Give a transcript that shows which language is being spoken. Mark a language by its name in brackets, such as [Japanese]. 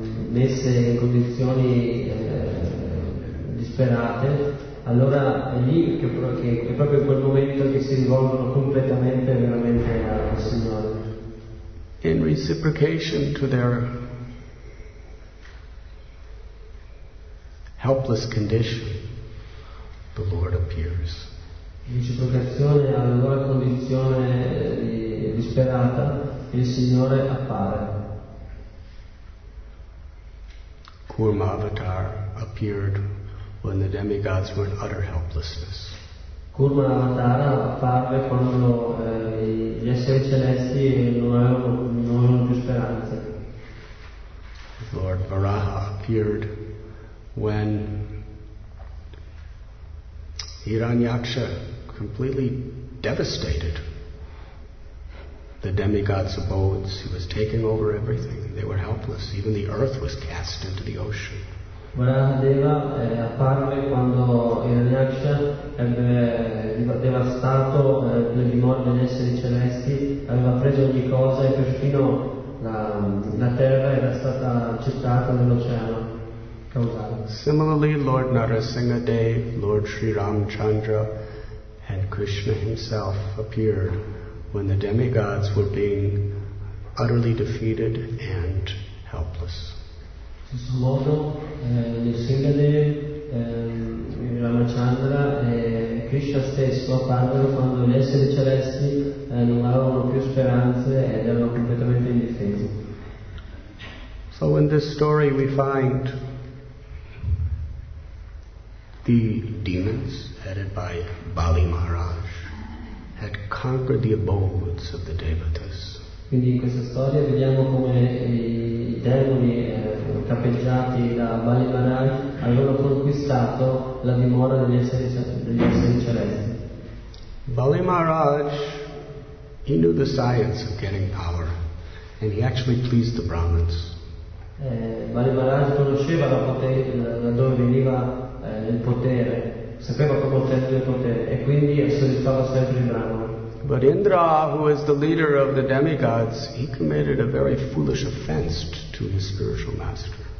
[Italian] messe in condizioni disperate, allora è lì che è proprio quel momento che si rivolgono completamente veramente al Signore. [English] In reciprocation to their helpless condition, the Lord appears. [Italian] In reciprocazione alla loro condizione disperata, il Signore appare. [English] Kurma Avatar appeared when the demigods were in utter helplessness. [Italian] Kurma Avatar apparve quando gli esseri celesti non avevano più speranze. [English] Lord Varaha appeared when Hiranyaksha completely devastated the demigods' abodes. He was taking over everything. They were helpless. Even the earth was cast into the ocean. [Italian] Varahadeva apparve quando Hiranyaksha devastato le dimore degli esseri celesti, aveva preso ogni cosa e perfino la terra era stata gettata nell'oceano. [English] Similarly, Lord Narasimha Dev, Lord Sri Ramchandra, and Krishna himself appeared when the demigods were being utterly defeated and helpless. [Italian] Modo, Narasimha Dev, Ramchandra e Krishna stesso apparvero quando gli esseri celesti non avevano più speranze ed erano completamente indifesi. [English] So in this story we find the demons, headed by Bali Maharaj, had conquered the abodes of the devatas. [Italian] Quindi in questa storia vediamo come i demoni capeggiati da Bali Maharaj avevano conquistato la dimora degli esseri celesti. [English] Bali Maharaj, he knew the science of getting power, and he actually pleased the Brahmins. [Italian] Bali Maharaj conosceva la potenza da dove veniva. Il potere, sapeva come ottenere il potere e quindi soddisfava sempre il Brahman. [English] But Indra, who is the leader of the demigods, he committed a very foolish offense to his spiritual master.